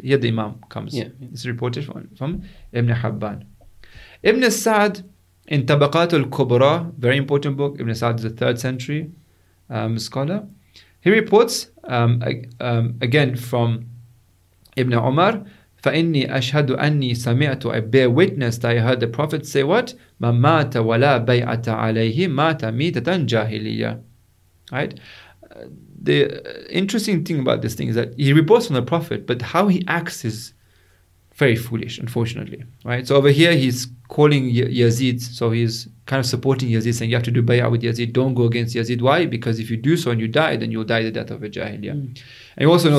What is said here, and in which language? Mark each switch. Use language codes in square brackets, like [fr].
[en] Here the imam comes. Yeah. It's reported from Ibn Habban. Ibn Sa'd in Tabaqat al-Kubra, very important book. Ibn Sa'd is a 3rd century scholar. He reports, again from Ibn Umar, [ar] فإني أشهد أني سمعت [en] I bear witness that I heard the prophet say what [ar] مَا مَاتَ وَلَا بَيْعَةَ عَلَيْهِ مَاتَ مِيتَةً جَاهِلِيَّةً Right? [en] The interesting thing about this thing is that he reports from the prophet, but how he acts is very foolish, unfortunately. Right? So over here, he's calling Yazid. So he's kind of supporting Yazid, saying you have to do bay'ah with Yazid. Don't go against Yazid. Why? Because if you do so and you die, then you'll die the death of a jahiliyah. Mm. And you also know